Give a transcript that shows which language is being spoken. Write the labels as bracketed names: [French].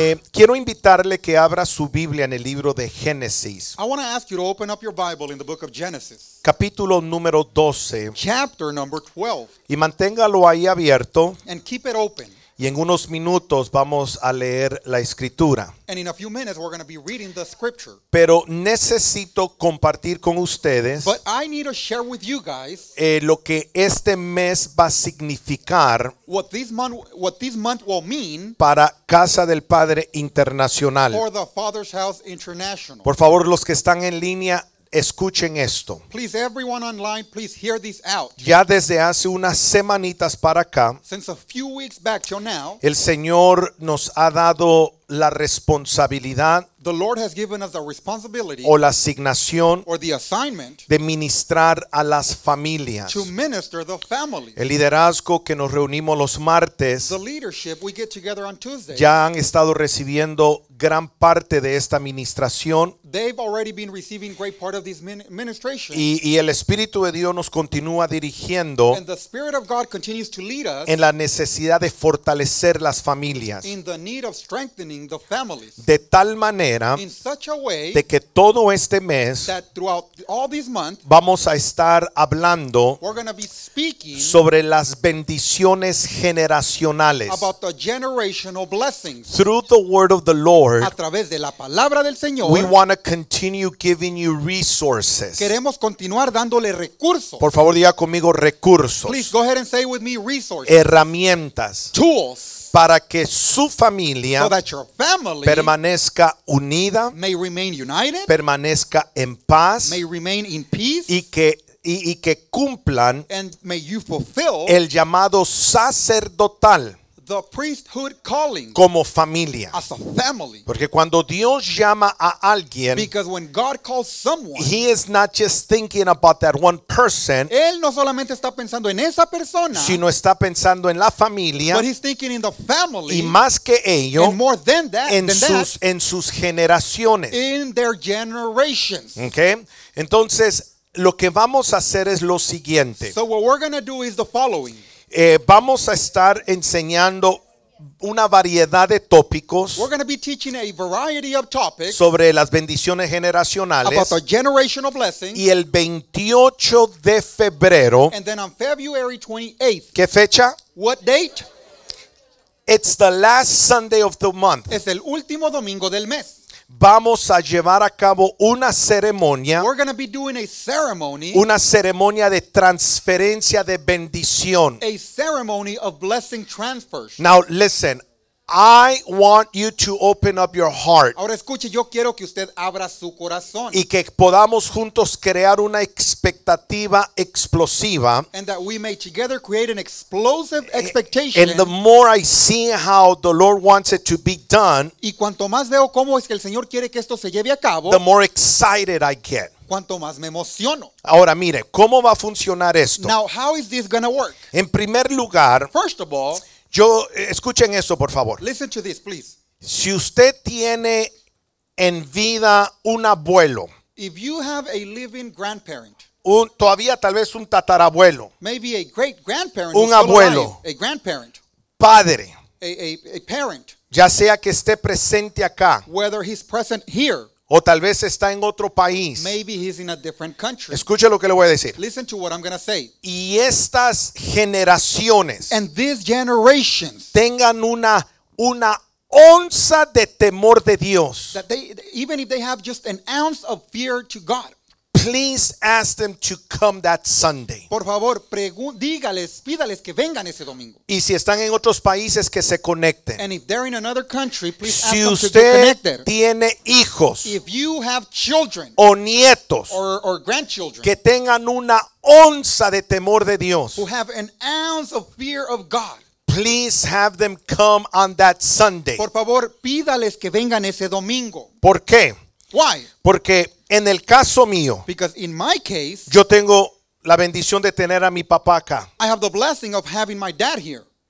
[Spanish] Quiero invitarle que abra su Biblia en el libro de Génesis. [English] I want to ask you to open up your Bible in the book of Genesis. [Spanish] Capítulo número 12. [English] Chapter number 12. [Spanish] Y manténgalo ahí abierto. [English] And keep it open. [Spanish] Y en unos minutos vamos a leer la escritura. [English] And in a few minutes we're going to be reading the scripture. [Spanish] Pero necesito compartir con ustedes. [English] But I need to share with you guys. [Spanish] Lo que este mes va a significar. [English] What this month will mean. [Spanish] Para Casa del Padre Internacional. [English] For the Father's House International. [Spanish] Por favor, los que están en línea, escuchen esto. [English] Please, everyone online, please hear this out. [Spanish] Ya desde hace unas semanitas para acá, [English] since a few weeks back till now, [Spanish] el Señor nos ha dado la responsabilidad, [English] the Lord has given us the responsibility, [Spanish] o la asignación, [English] or the assignment, [Spanish] de ministrar a las familias, [English] to minister the families. [Spanish] El liderazgo que nos reunimos los martes, [English] the leadership we get together on Tuesdays, [Spanish] ya han estado recibiendo gran parte de esta administración. [English] They've already been receiving great part of this ministration. [Spanish] Y el Espíritu de Dios nos continúa dirigiendo. [English] And the Spirit of God continues to lead us. [Spanish] En la necesidad de fortalecer las familias. [English] In the need of strengthening the families. [Spanish] De tal manera. [English] In such a way. [Spanish] De que todo este mes. [English] That throughout all these months. [Spanish] Vamos a estar hablando. [English] We're going to be speaking. [Spanish] Sobre las bendiciones generacionales. [English] About the generational blessings. Through the word of the Lord. [Spanish] A través de la palabra del Señor. [English] We want to continue giving you resources. [Spanish] Queremos continuar dándole recursos. Por favor, diga conmigo recursos. [English] Please go ahead and say with me resources. [Spanish] Herramientas. [English] Tools. [Spanish] Para que su familia, [English] so that your family, [Spanish] permanezca unida, [English] may remain united, [Spanish] permanezca en paz, [English] may remain in peace, [Spanish] y que cumplan, [English] and may you fulfill, [Spanish] el llamado sacerdotal. [English] The priesthood calling, [Spanish] como familia, [English] as a family. [Spanish] Porque cuando Dios llama a alguien, [English] because when God calls someone, he is not just thinking about that one person, [Spanish] él no solamente está pensando en esa persona, sino está pensando en la familia, [English] but he's thinking in the family, [Spanish] y más que ello, [English] and more than that, [Spanish] en sus generaciones, [English] in their generations. [Spanish] Okay, entonces lo que vamos a hacer es lo siguiente. [English] So what we're going to do is the following. [Spanish] Vamos a estar enseñando una variedad de tópicos. [English] We're going to be teaching a variety of topics [Spanish] sobre las bendiciones generacionales. [English] About the generational blessings. [Spanish] Y el 28 de febrero. [English] And then on February 28th. [Spanish] ¿Qué fecha? [English] What date? It's the last Sunday of the month. [Spanish] Es el último domingo del mes. Vamos a llevar a cabo una ceremonia. [English] We're going to be doing a ceremony. [Spanish] Una ceremonia de transferencia de bendición. [English] A ceremony of blessing transfers. Now listen, I want you to open up your heart. [Spanish] Ahora escuche, yo quiero que usted abra su corazón. Y que podamos juntos crear una expectativa explosiva. [English] And that we may together create an explosive expectation. And the more I see how the Lord wants it to be done. [Spanish] Y cuanto más veo cómo es que el Señor quiere que esto se lleve a cabo. [English] The more excited I get. [Spanish] Cuanto más me emociono. Ahora mire, ¿cómo va a funcionar esto? [English] Now how is this going to work? [Spanish] En primer lugar. [English] First of all. [Spanish] Yo, escuchen eso, por favor. [English] Listen to this, please. [Spanish] Si usted tiene en vida un abuelo, [English] if you have a living grandparent, [Spanish] todavía tal vez un tatarabuelo, [English] maybe a great grandparent, [Spanish] un abuelo, [English] alive, a grandparent, [Spanish] padre, [English] a parent, [Spanish] ya sea que esté presente acá, [English] whether he's present here, [Spanish] o tal vez está en otro país. [English] Maybe he's in a different country. [Spanish] Escuche lo que le voy a decir. [English] Listen to what I'm going to say. [Spanish] Y estas generaciones. [English] And these generations. [Spanish] Tengan una onza de temor de Dios. [English] That they, even if they have just an ounce of fear to God. Please ask them to come that Sunday. [Spanish] Por favor, dígales, pídales que vengan ese domingo. Y si están en otros países, que se conecten. [English] And if they're in another country, please [Spanish] si [English] ask them to get connected. [Spanish] Si usted tiene hijos. [English] If you have children. [Spanish] O nietos. [English] Or grandchildren. [Spanish] Que tengan una onza de temor de Dios. [English] Who have an ounce of fear of God. Please have them come on that Sunday. [Spanish] Por favor, pídales que vengan ese domingo. ¿Por qué? [English] Why? [Spanish] Porque en el caso mío, [English] because in my case, [Spanish] yo tengo la bendición de tener a mi papá acá. [English] I have the blessing of having my dad here.